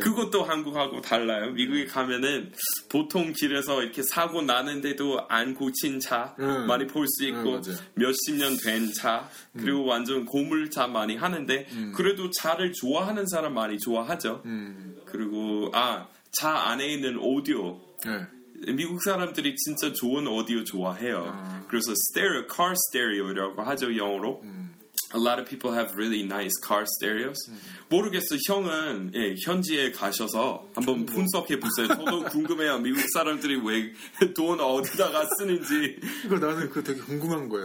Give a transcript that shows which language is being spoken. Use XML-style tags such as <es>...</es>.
<ko>그것도 한국하고 달라요. 미국에 가면은 보통 길에서 이렇게 사고 나는데도 안 고친 차 많이 볼 수 있고 몇십 년 된 차 그리고 완전 고물차 많이 하는데 그래도 차를 좋아하는 사람 많이 좋아하죠. 그리고 아 차 안에 있는 오디오 네. 미국 사람들이 진짜 좋은 오디오 좋아해요. 아. 그래서 스테레오, car stereo라고 하죠 영어로.</ko> <en>A lot of people have really nice car stereos.</en> <ko>모르겠어요. 형은 예, 현지에 가셔서 한번 분석해 보세요. 저도 궁금해요. 미국 사람들이 왜 돈 어디다가 쓰는지. 그거 나는 그거 되게 궁금한 거예요.</ko>